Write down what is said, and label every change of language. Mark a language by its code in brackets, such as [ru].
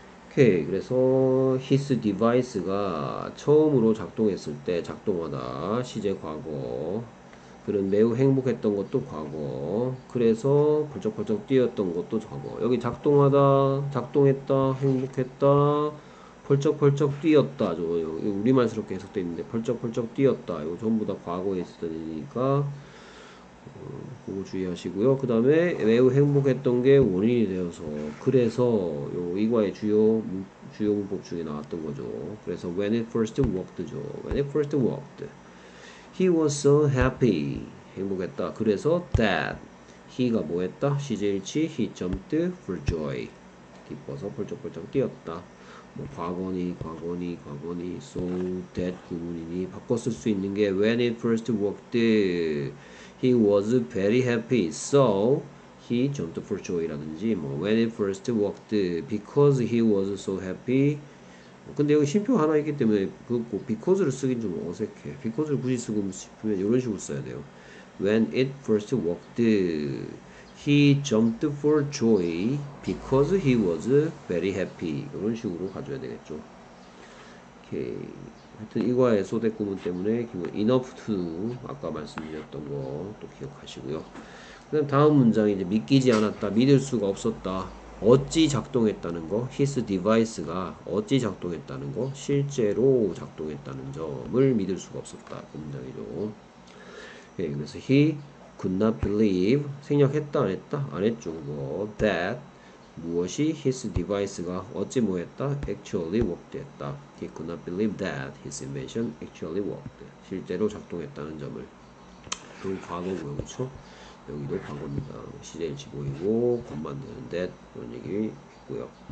[ko] 오케이, 그래서 [en] his device [ko] 가 처음으로 작동했을 때 작동하다 시제 과거 그는 매우 행복했던 것도 과거 그래서 벌쩍벌쩍 뛰었던 것도 과거 여기 작동하다 작동했다 행복했다 벌쩍벌쩍 뛰었다죠 우리말스럽게 해석돼 있는데 벌쩍벌쩍 뛰었다 이거 전부 다 과거에 있었던 일이니까 그거 주의하시고요. 그 다음에 매우 행복했던 게 원인이 되어서 그래서 요 이과의 주요 문법 중에 나왔던 거죠. 그래서 [en] when it first worked죠. when it first worked, he was so happy. [ko] 행복했다. 그래서 [en] that he [ko] 가 뭐 했다? 시제일치 [en] he jumped for joy. [ko] 기뻐서 벌쩍벌쩍 뛰었다. 뭐 과거니 [en] so that [ko] 구문이니 바꿨을 수 있는 게 [en] when it first worked. He was very happy, so he jumped for joy [ko] 라든지 뭐 [en] when it first worked, because he was so happy, [ko] 근데 여기 쉼표 하나 있기 때문에 그거 because를 쓰긴 좀 어색해. because를 굳이 쓰고 싶으면 이런 식으로 써야 돼요. [en] When it first walked, he jumped for joy because he was very happy. [ko] 이런 식으로 가져야 되겠죠. 오케이. 하여튼 이과의 소대 구문 때문에 [en] enough to [ko] 아까 말씀드렸던 거또 기억하시고요. 그다음 문장이 이제 믿기지 않았다, 믿을 수가 없었다. 어찌 작동했다는 거, his device가 어찌 작동했다는 거, 실제로 작동했다는 점을 믿을 수가 없었다. 그 문장이죠. 예, 그래서 [en] he could not believe, [ko] 생략했다, 안 했다? 안 했죠. 뭐, that 무엇이 [en] his device [ko] 가 어찌 뭐했다? [en] actually worked [ko] 했다. [en] He could not believe that his invention actually worked. [ko] 실제로 작동했다는 점을. 그럼 과거고요, 그쵸? 여기도 과거입니다. 시제일치 보이고, 것만 되는 that 이런 얘기 있고요.